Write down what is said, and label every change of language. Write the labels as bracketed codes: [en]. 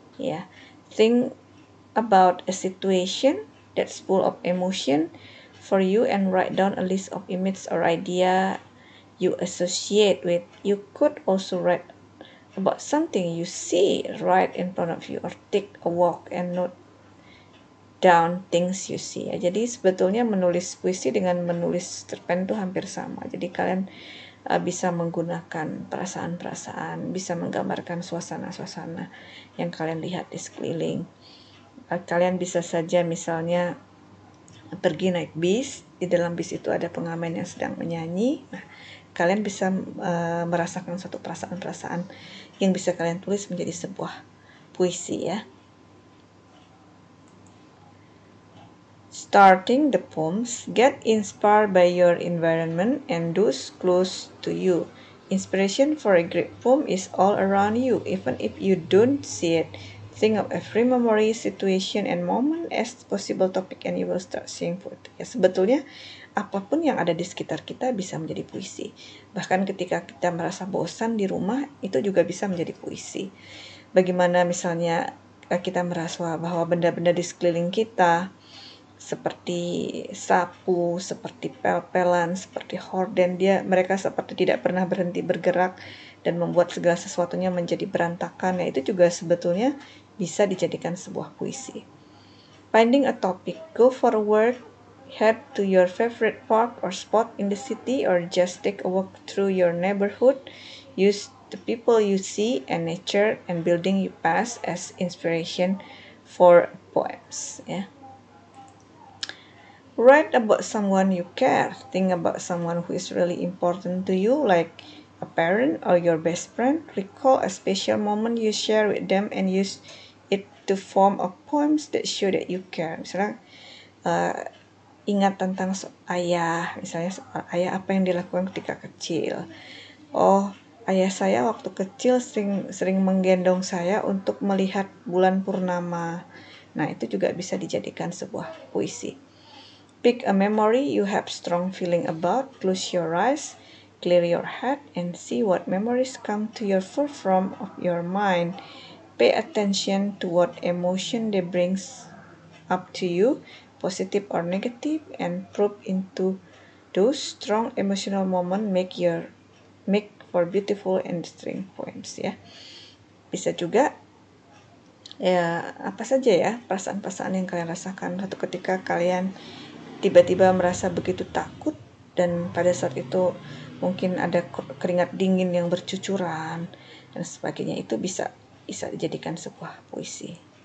[en] Yeah, think about a situation that's full of emotion for you and write down a list of images or idea you associate with. You could also write about something you see right in front of you, or take a walk and note down things you see. [id] Jadi sebetulnya menulis puisi dengan menulis cerpen itu hampir sama. Jadi kalian bisa menggunakan perasaan-perasaan, bisa menggambarkan suasana-suasana yang kalian lihat di sekeliling. Kalian bisa saja misalnya pergi naik bis, di dalam bis itu ada pengamen yang sedang menyanyi. Nah, kalian bisa merasakan satu perasaan-perasaan yang bisa kalian tulis menjadi sebuah puisi ya. [en] Starting the poems, get inspired by your environment and those close to you. Inspiration for a great poem is all around you, even if you don't see it. Think of every memory, situation, and moment as possible topic and you will start seeing food. [id] Ya, sebetulnya apapun yang ada di sekitar kita bisa menjadi puisi. Bahkan ketika kita merasa bosan di rumah, itu juga bisa menjadi puisi. Bagaimana misalnya kita merasa bahwa benda-benda di sekeliling kita, seperti sapu, seperti pel-pelan, seperti horden, mereka seperti tidak pernah berhenti bergerak dan membuat segala sesuatunya menjadi berantakan. Ya, itu juga sebetulnya bisa dijadikan sebuah puisi. [en] Finding a topic, go for a walk, head to your favorite park or spot in the city, or just take a walk through your neighborhood. Use the people you see and nature and building you pass as inspiration for poems. Yeah. Write about someone you care. Think about someone who is really important to you, like a parent or your best friend. Recall a special moment you share with them and use it to form a poem that show that you care. [id] Misalnya, ingat tentang ayah, misalnya ayah apa yang dilakukan ketika kecil. Oh, ayah saya waktu kecil sering menggendong saya untuk melihat bulan purnama. Nah, itu juga bisa dijadikan sebuah puisi. [en] Pick a memory you have strong feeling about. Close your eyes. Clear your head and see what memories come to your forefront of your mind. Pay attention to what emotion they brings up to you, positive or negative, and probe into those strong emotional moments make for beautiful and string poems ya. [id] Bisa juga ya apa saja ya perasaan-perasaan yang kalian rasakan satu ketika kalian tiba-tiba merasa begitu takut dan pada saat itu mungkin ada keringat dingin yang bercucuran dan sebagainya, itu bisa dijadikan sebuah puisi.